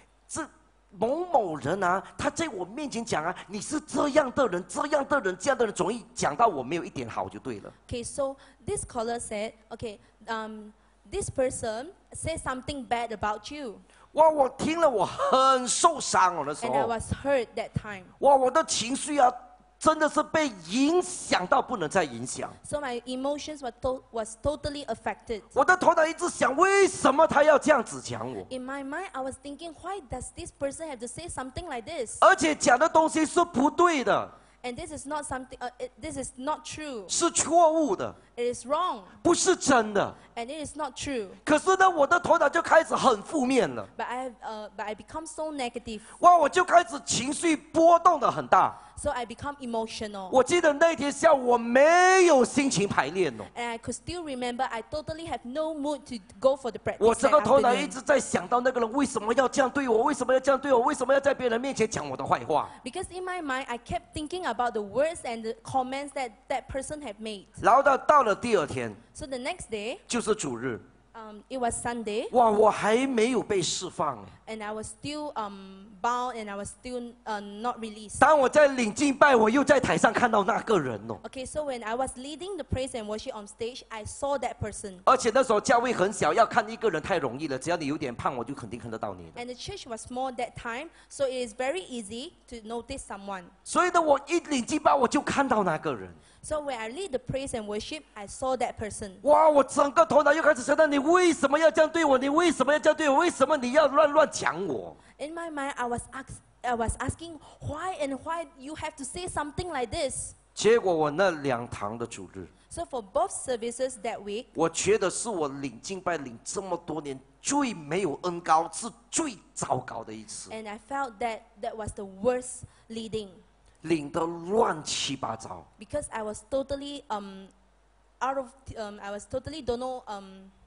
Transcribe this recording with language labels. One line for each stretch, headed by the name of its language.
Chinese: 这某某人啊，他在我面前讲啊，你是这样的人，这样的人，这样的人，总一讲到我没有一点好就对了。
English: Okay, so this caller said, okay, this person said something bad about you.
Chinese: 哇，我听了，我很受伤哦，那时候。
English: And I was hurt that time.
Chinese: 哇，我的情绪啊，真的是被影响到不能再影响。
English: So my emotions was totally affected.
Chinese: 我的头脑一直想，为什么他要这样子讲我
English: ？In my mind, I was thinking, why does this person have to say something like this?
Chinese: 而且讲的东西是不对的。
English: And this is not something. This is not true.
Chinese: 是错误的。
English: It is wrong.
Chinese: 不是真的。
English: And it is not true.
Chinese: 可是呢，我的头脑就开始很负面了。
English: But I become so negative.
Chinese: 哇，我就开始情绪波动的很大。
English: So I become emotional.
Chinese: 我记得那天下午我没有心情排练哦。
English: And I could still remember I totally have no mood to go for the practice.
Chinese: 我整个头脑一直在想到那个人为什么要这样对我，为什么要这样对我，为什么要在别人面前讲我的坏话。
English: Because in my mind I kept thinking about the words and the comments that that person had made.
Chinese: 然后到了第二天。
English: So the next day.
Chinese: 就是主日。
English: It was Sunday.
Chinese: 哇，我还没有被释放。
English: And I was still bound and I was still not released.
Chinese: 当我在领敬拜，我又在台上看到那个人哦。
English: Okay, so when I was leading the praise and worship on stage, I saw that person.
Chinese: 而且那时候教会很小，要看一个人太容易了。只要你有点胖，我就肯定看得到你的。
English: And the church was small that time, so it is very easy to notice someone.
Chinese: 所以呢，我一领敬拜，我就看到那个人。
English: So when I lead the praise and worship, I saw that person.
Chinese: 哇，我整个头脑又开始想到，你为什么要这样对我？你为什么要这样对我？为什么你要乱讲我
English: ？In my mind, I was asking why and why you have to say something like this.
Chinese: 结果我那两堂的主日
English: ，So for both services that week,
Chinese: 我觉得是我领敬拜领这么多年最没有恩膏，是最糟糕的一次。
English: And I felt that was the worst leading.
Chinese: 领得乱七八糟。
English: Because I was totally I was totally don't know okay.